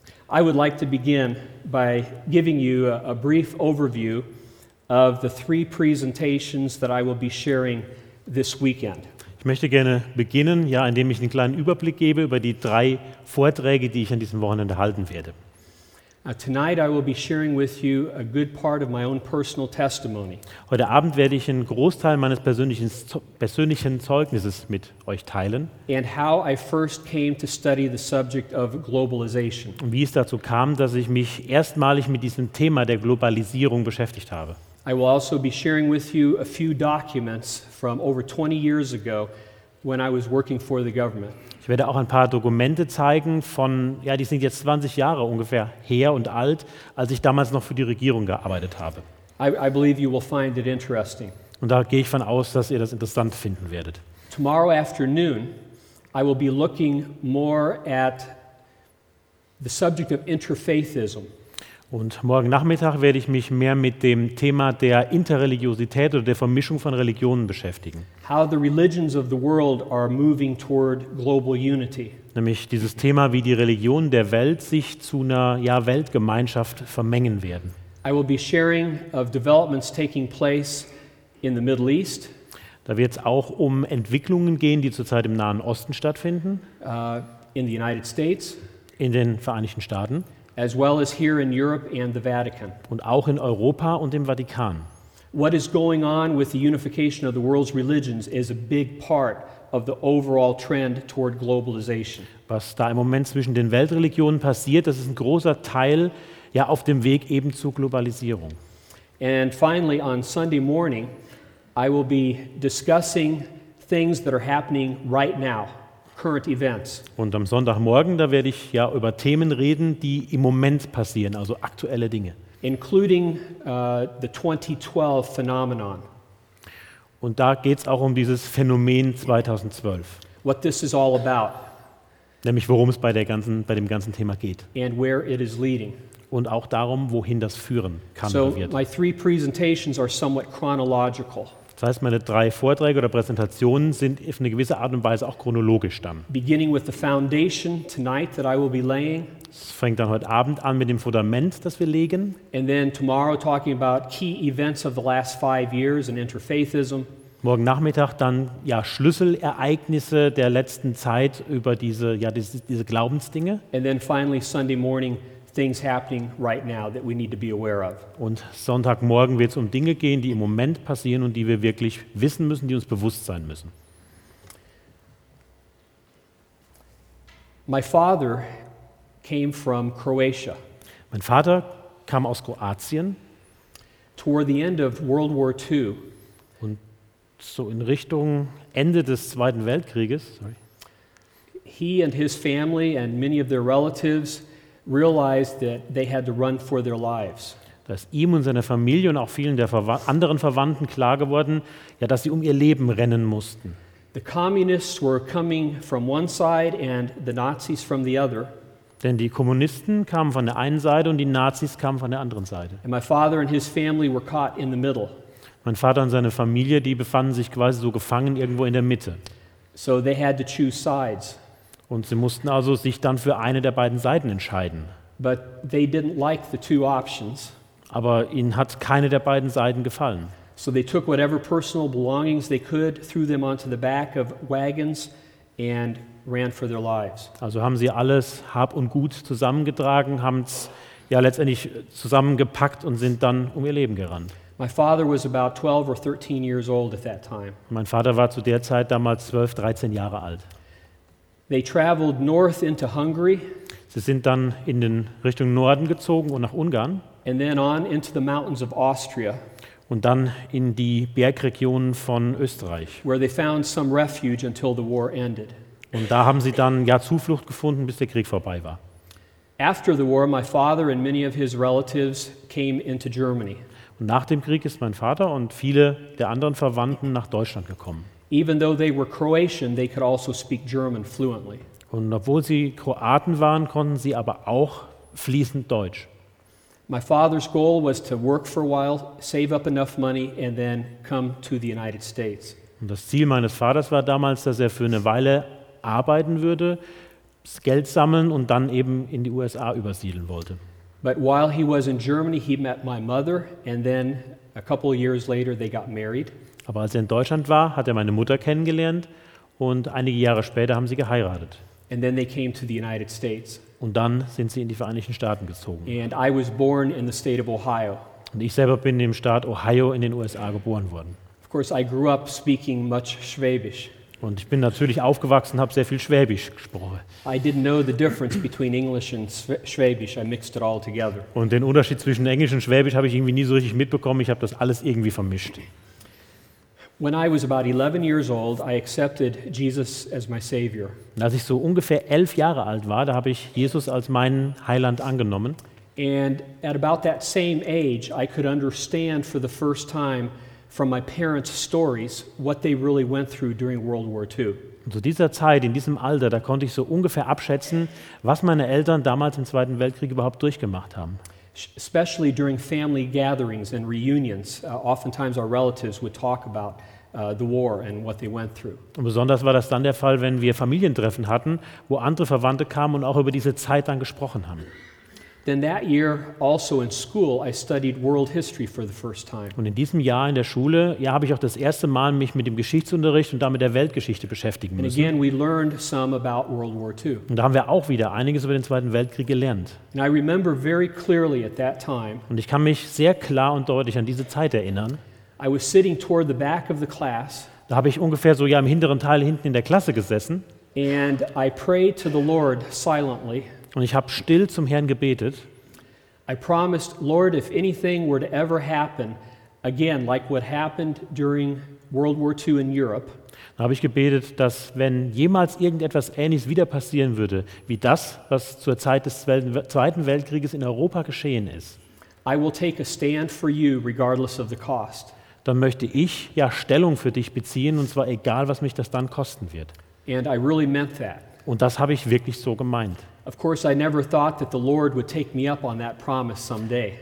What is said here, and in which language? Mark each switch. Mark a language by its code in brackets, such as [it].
[en] I would like to begin by giving you a brief overview of the three presentations that I will be sharing this weekend. [de] Ich möchte gerne beginnen, ja, indem ich einen kleinen Überblick gebe über die drei Vorträge, die ich an diesem Wochenende halten werde. [en] Tonight I will be sharing with you a good part of my own personal testimony. [de] Heute Abend werde ich einen Großteil meines persönlichen Zeugnisses mit euch teilen. [en] And how I first came to study the subject of globalization. [de] Und wie es dazu kam, dass ich mich erstmalig mit diesem Thema der Globalisierung beschäftigt habe. [en] I will also be sharing with you a few documents from over 20 years ago when I was working for the government. [de] Ich werde auch ein paar Dokumente zeigen von, ja, die sind jetzt 20 Jahre ungefähr her und alt, als ich damals noch für die Regierung gearbeitet habe. [en] I believe you will find it interesting. [de] Und da gehe ich von aus, dass ihr das interessant finden werdet. [en] Tomorrow afternoon, I will be looking more at the subject of interfaithism. [de] Und morgen Nachmittag werde ich mich mehr mit dem Thema der Interreligiosität oder der Vermischung von Religionen beschäftigen. [en] How the religions of the world are moving toward global unity. [de] Nämlich dieses Thema, wie die Religionen der Welt sich zu einer, ja, Weltgemeinschaft vermengen werden. [en] I will be sharing of developments taking place in the Middle East. [de] Da wird es auch um Entwicklungen gehen, die zurzeit im Nahen Osten stattfinden. [en] In the United States. [de] In den Vereinigten Staaten. [en] As well as here in Europe and the Vatican. [de] Und auch in Europa und im Vatikan. [en] What is going on with the unification of the world's religions is a big part of the overall trend toward globalization. [de] Was da im Moment zwischen den Weltreligionen passiert, das ist ein großer Teil, ja, auf dem Weg eben zur Globalisierung. [en] And finally on Sunday morning I will be discussing things that are happening right now. Current events. [de] Und am Sonntagmorgen, da werde ich ja über Themen reden, die im Moment passieren, also aktuelle Dinge. [en] Including the 2012 phenomenon. [de] Und da geht es auch um dieses Phänomen 2012. [en] What this is all about. [de] Nämlich worum es bei dem ganzen Thema geht. [en] And where it is leading. [de] Und auch darum, wohin das führen kann so oder wird. [en] So my three presentations are somewhat chronological. [de] Das heißt, meine drei Vorträge oder Präsentationen sind auf eine gewisse Art und Weise auch chronologisch dann. [en] Beginning with the foundation tonight that I will be laying. [de] Es fängt dann heute Abend an mit dem Fundament, das wir legen. [en] And then tomorrow talking about key events of the last 5 years and interfaithism. [de] Morgen Nachmittag dann, ja, Schlüsselereignisse der letzten Zeit über diese, ja, diese Glaubensdinge. [en] And then finally Sunday morning. Things happening right now that we need to be aware of. [de] Und Sonntagmorgen wird es um Dinge gehen, die im Moment passieren und die wir wirklich wissen müssen, die uns bewusst sein müssen. [en] My father came from Croatia. [de] Mein Vater kam aus Kroatien. [en] Toward the end of World War II. [de] Und so in Richtung Ende des Zweiten Weltkrieges. Sorry. [en] He and his family and many of their relatives realized that they had to run for their lives. [de] Dass ihm und seiner Familie und auch vielen der anderen Verwandten klar geworden, ja, dass sie um ihr Leben rennen mussten. [en] The communists were coming from one side and the Nazis from the other. [de] Denn die Kommunisten kamen von der einen Seite und die Nazis kamen von der anderen Seite. [en] And my father and his family were caught in the middle. [de] Mein Vater und seine Familie, die befanden sich quasi so gefangen irgendwo in der Mitte. [en] So they had to choose sides. [de] Und sie mussten also sich dann für eine der beiden Seiten entscheiden. [en] But they didn't like the two options. [de] Aber ihnen hat keine der beiden Seiten gefallen. [en] So they took whatever personal belongings they could, threw them onto the back of wagons and ran for their lives. [de] Also haben sie alles Hab und Gut zusammengetragen, haben es ja letztendlich zusammengepackt und sind dann um ihr Leben gerannt. [en] My father was about 12 or 13 years old at that time. [de] Mein Vater war zu der Zeit damals 12, 13 Jahre alt. [en] They traveled north into Hungary. [de] Sie sind dann in den Richtung Norden gezogen und nach Ungarn. [en] And then on into the mountains of Austria. [de] Und dann in die Bergregionen von Österreich. [en] Where they found some refuge until the war ended. [de] Und da haben sie dann ja Zuflucht gefunden, bis der Krieg vorbei war. [en] After the war, my father and many of his relatives came into Germany. [de] Und nach dem Krieg ist mein Vater und viele der anderen Verwandten nach Deutschland gekommen. [en] Even though they were Croatian, they could also speak German fluently. [de] Und obwohl sie Kroaten waren, konnten sie aber auch fließend Deutsch. [en] My father's goal was to work for a while, save up enough money and then come to the United States. [de] Und das Ziel meines Vaters war damals, dass er für eine Weile arbeiten würde, Geld sammeln und dann eben in die USA übersiedeln wollte. [en] But while he was in Germany, he met my mother and then a couple of years later they got married. [de] Aber als er in Deutschland war, hat er meine Mutter kennengelernt und einige Jahre später haben sie geheiratet. [en] And then they came to the United States. [de] Und dann sind sie in die Vereinigten Staaten gezogen. [en] And I was born in the state of Ohio. [de] Und ich selber bin im Staat Ohio in den USA geboren worden. [en] Of course I grew up speaking much Schwäbisch. [de] Und ich bin natürlich aufgewachsen, habe sehr viel Schwäbisch gesprochen. [en] I didn't know the difference between English and Schwäbisch. I mixed it all together. [de] Und den Unterschied zwischen Englisch und Schwäbisch habe ich irgendwie nie so richtig mitbekommen. Ich habe das alles irgendwie vermischt. [en] When I was about 11 years old, I accepted Jesus as my savior. [de] Als ich so ungefähr 11 Jahre alt war, da habe ich Jesus als meinen Heiland angenommen. [en] And at about that same age, I could understand for the first time from my parents' stories what they really went through during World War II. [de] Und zu dieser Zeit, in diesem Alter, da konnte ich so ungefähr abschätzen, was meine Eltern damals im Zweiten Weltkrieg überhaupt durchgemacht haben. [en] Especially during family gatherings and reunions, oftentimes our relatives would talk about the war and what they went through. [de] Und besonders war das dann der Fall, wenn wir Familientreffen hatten, wo andere Verwandte kamen und auch über diese Zeit dann gesprochen haben. [en] Then that year, also in school, I studied world history for the first time. [de] Und in diesem Jahr in der Schule, ja, habe ich auch das erste Mal mich mit dem Geschichtsunterricht und damit der Weltgeschichte beschäftigen müssen. [en] And again, we learned some about World War II. [de] Und da haben wir auch wieder einiges über den Zweiten Weltkrieg gelernt. [en] And I remember very clearly at that time. [de] Und ich kann mich sehr klar und deutlich an diese Zeit erinnern. [en] I was sitting toward the back of the class. [de] Da habe ich ungefähr so ja im hinteren Teil hinten in der Klasse gesessen. [en] And I prayed to the Lord silently. [de] Und ich habe still zum Herrn gebetet. [en] I promised, Lord, if anything were to ever happen again, like what happened during World War II in Europe. [de] Da habe ich gebetet, dass wenn jemals irgendetwas Ähnliches wieder passieren würde, wie das, was zur Zeit des Zweiten Weltkrieges in Europa geschehen ist. [en] I will take a stand for you, regardless of the cost. [de] Dann möchte ich ja Stellung für dich beziehen, und zwar egal, was mich das dann kosten wird. [en] And I really meant that. [de] Und das habe ich wirklich so gemeint. [en] Of course I never thought that the Lord would take me up on that promise someday.